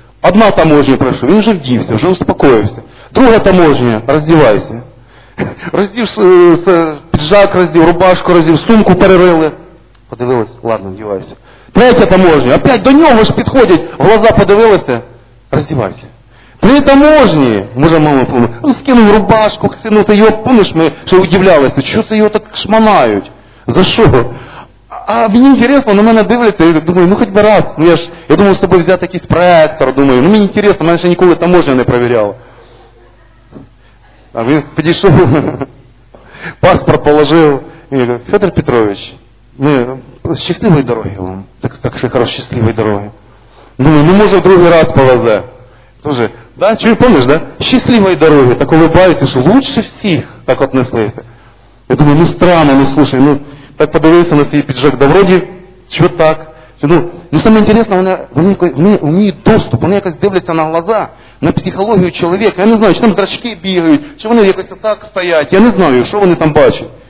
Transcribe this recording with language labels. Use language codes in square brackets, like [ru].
[uk] Одна таможня пройшла, він вже вдівся, вже успокоївся. Друга таможня, роздівайся. Роздів піджак, роздів рубашку, роздів сумку, перерили. Подивилися, ладно, вдівайся. Третя таможня, опять до нього ж підходять, глаза подивилися, роздівайся. [ru] Ну это можно. Мужа мама помнит. Ну скинул рубашку, скинул ты ее, помнишь, мы все удивлялись, что ты ее так шманают? За что? А мне интересно, на меня дивляться, я думаю, ну хоть бы раз, ну я думал с собой взять какой-то проектор, думаю, ну мне интересно, меня еще никогда таможня не проверял. А он подошел, паспорт положил, и говорит, Федор Петрович, ну, счастливой дороги вам, так что хорошо, счастливой дороги. Думаю, ну может в другой раз повезе. Тоже, да, чего помнишь, да? Счастливой дороги, так улыбаюсь, что лучше всех так отнеслись. Я думаю, ну странно, ну слушай, ну, так [uk] подивився на свій піджак, да вроді, що так. Ну, саме інтересно, вони вміють доступ, вони якось дивляться на глаза, на психологію чоловіка. Я не знаю, чи там зрачки бігають, чи вони якось отак стоять, я не знаю, що вони там бачать.